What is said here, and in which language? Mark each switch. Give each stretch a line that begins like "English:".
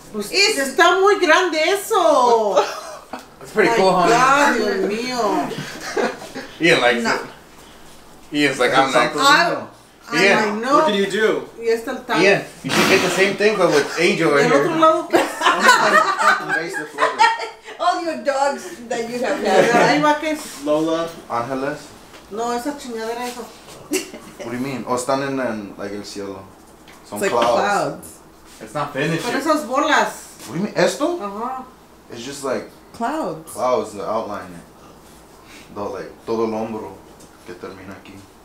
Spanish: Pues está muy grande eso.
English: That's pretty cool, honey.
Spanish: God, Dios mío.
English: Ian likes it. Ian's like, I'm not. Ian, what can you do?
Spanish: Y está el
English: Ian, you can get the same thing, but with Angel right here.
Spanish: Otro lado.
English: All your dogs that you have had. Lola. Angeles.
Spanish: No, esa chingadera eso.
English: What do you mean?
Spanish: Oh, están en like, el cielo.
English: Some it's clouds. Like clouds. It's not finished.
Spanish: Pero esas bolas.
English: What do you mean? Esto? Uh-huh. It's just like... Clouds. Clouds, the outline.
Spanish: The, like, todo el hombro que termina aquí.